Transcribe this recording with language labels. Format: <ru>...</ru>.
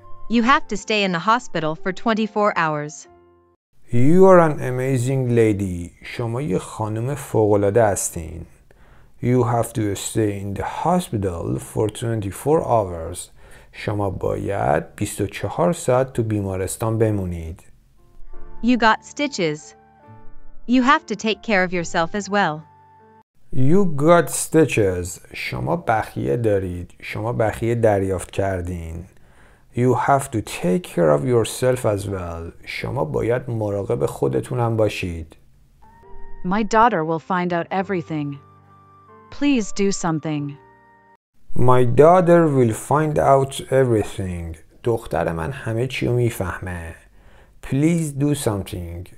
<en>You have to stay in the hospital for 24 hours. You are an amazing lady.</en> <fa>شما یه خانم فوق‌العاده هستین.</fa> <en>You have to stay in the hospital for 24 hours.</en> <fa>شما باید 24 ساعت تو بیمارستان بمونید.</fa> <en>You got stitches. You have to take care of yourself as well. You got stitches.</en> <fa>شما بخیه دارید. شما بخیه دریافت کردین.</fa> <en>You have to take care of yourself as well.</en> <fa>شما باید مراقب خودتونم باشید.</fa> <en>My daughter will find out everything. Please do something. My daughter will find out everything.</en> <fa>دختر من همه چیو میفهمه.</fa> <en>Please do something.</en>